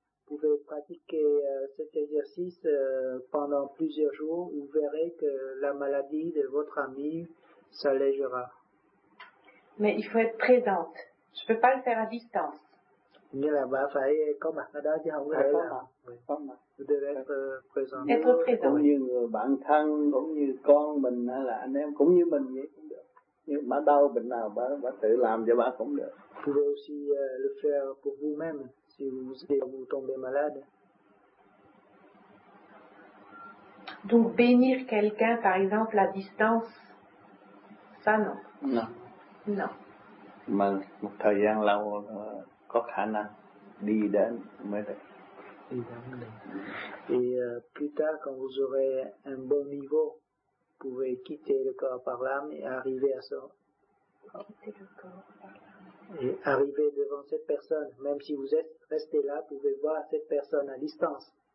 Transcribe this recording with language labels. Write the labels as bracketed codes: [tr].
[fr] Vous pouvez pratiquer cet exercice pendant plusieurs jours. Vous verrez que la maladie de votre ami s'allégera. Mais il faut être présente. Je ne peux pas le faire à distance. Mais là-bas, il faut être comme un adage. Pas mal. Vous devez être présent. Être présent. Comme nous, [vi] bản thân, cũng như con mình, hay là anh em, cũng như mình vậy. Nhưng mà đau bệnh nào bà tự làm cho bà cũng được. [fr] Vous pouvez aussi le faire pour vous-même si vous tombez malade. Donc bénir quelqu'un par exemple à distance, ça non. Non. Non. [vi] Mà một thời gian lâu có khả năng đi đến mới được. [fr] Et plus tard quand vous aurez un bon niveau. Vous pouvez quitter le corps par l'âme et arriver à ça. Et arriver devant cette personne, même si vous êtes resté là, vous pouvez voir cette personne à distance.